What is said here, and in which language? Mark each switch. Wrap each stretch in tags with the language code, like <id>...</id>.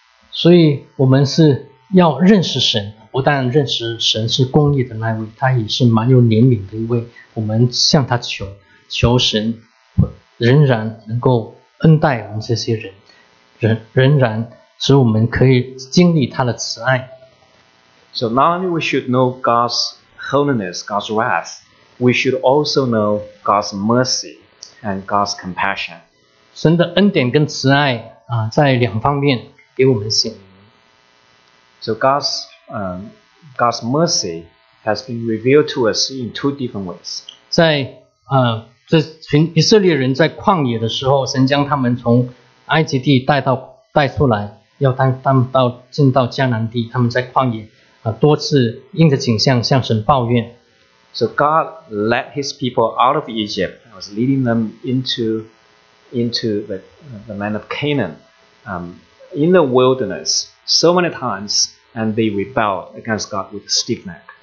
<zh>所以我们是要认识神，不但认识神是公义的那位，他也是蛮有怜悯的一位，我们向他求神仍然能够恩待我们这些人，仍然使我们可以经历他的慈爱。</zh> <en>So not only we should know God's holiness, God's wrath, we should also know God's mercy and God's compassion.</en> <zh>神的恩典跟慈爱在两方面给我们显明。</zh> <en>So God's mercy has been revealed to us in two different ways.</en> <zh>在这群以色列人在旷野的时候，神将他们从埃及地带出来，要带他们到进到迦南地。他们在旷野多次因着景象向神抱怨。</zh> <en>So God led His people out of Egypt, was leading them into the land of Canaan, in the wilderness, so many times, and they rebelled against God with a stiff neck.</en>